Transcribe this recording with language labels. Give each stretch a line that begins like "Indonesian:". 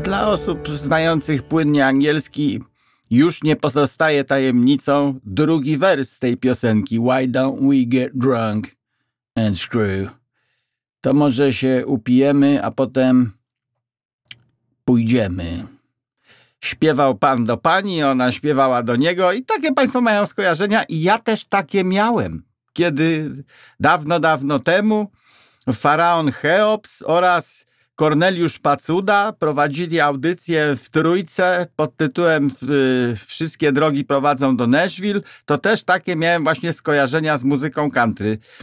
Polish: Osób znających płynnie angielski już nie pozostaje tajemnicą drugi wers tej piosenki.
English: Why don't we get drunk and screw?
Polish: To może się upijemy, a potem pójdziemy. śpiewał pan do pani, ona śpiewała do niego i takie państwo mają skojarzenia i ja też takie miałem, kiedy dawno, dawno temu faraon Cheops oraz Korneliusz Pacuda prowadzili audycję w Trójce pod tytułem Wszystkie drogi prowadzą do Nashville, to też takie miałem właśnie skojarzenia z muzyką country.